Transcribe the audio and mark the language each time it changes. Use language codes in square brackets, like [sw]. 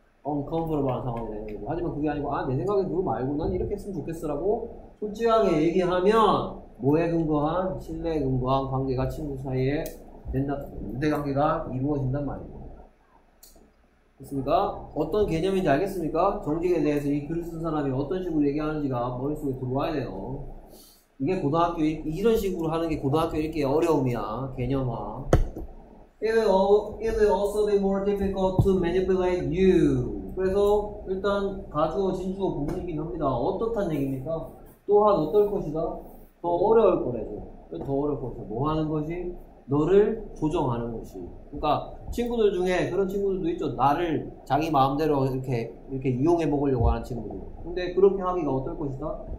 [ko] uncomfortable한 상황이 되는 거고 하지만 그게 아니고 아 내 생각에 그거 말고 난 이렇게 했으면 좋겠어 라고 솔직하게 얘기하면 뭐에 근거한 신뢰에 근거한 관계가 친구 사이에 된다, 유대관계가 이루어진단 말입니다. 됐습니까? 어떤 개념인지 알겠습니까? 정직에 대해서 이 글을 쓴 사람이 어떤 식으로 얘기하는지가 머릿속에 들어와야 돼요. 이게 고등학교, 이런 식으로 하는 게 고등학교 읽기의 어려움이야. 개념화. [en] It will also be more difficult to manipulate you. [ko] 그래서 일단 가주어, 진주어 부분이긴 합니다. 어떻단 얘기입니까? 또한 어떨 것이다? 더 어려울 거래죠. 더 어려울 것이다. 뭐 하는 것이? 너를 조종하는 것이 그러니까 친구들 중에 그런 친구들도 있죠 나를 자기 마음대로 이렇게 이용해 먹으려고 하는 친구들 근데 그렇게 하기가 어떨 것이다?